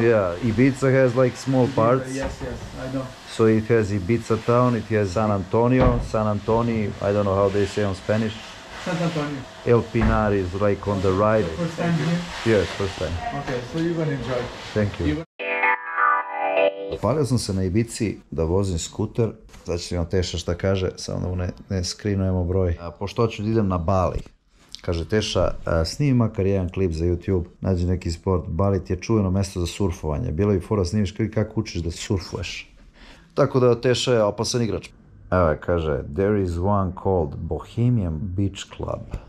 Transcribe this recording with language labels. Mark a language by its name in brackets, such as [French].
[English] Yeah, Ibiza has like small parts. Yes, yes, I know. So it has Ibiza town, it has San Antonio. San Antonio, I don't know how they say on Spanish. San Antonio. El Pinar is like on the right. First time here? Yes, first time. Okay, so you're gonna enjoy. Thank you. [Serbian] Palio sam se na Ibici da vozim skuter. Znači ima Teša šta kaže, samo da mu ne skrinujemo broj. Pošto ću da idem na Bali. Kaže Teša, snimi makar jedan klip za YouTube, nađi neki sport. Bali ti je čuveno mjesto za surfovanje. Bilo bi fora, snimiš kako učiš da surfuješ. Tako da Teša je opasan igrač. Evo kaže, [English] there is one called Bohemian Beach Club.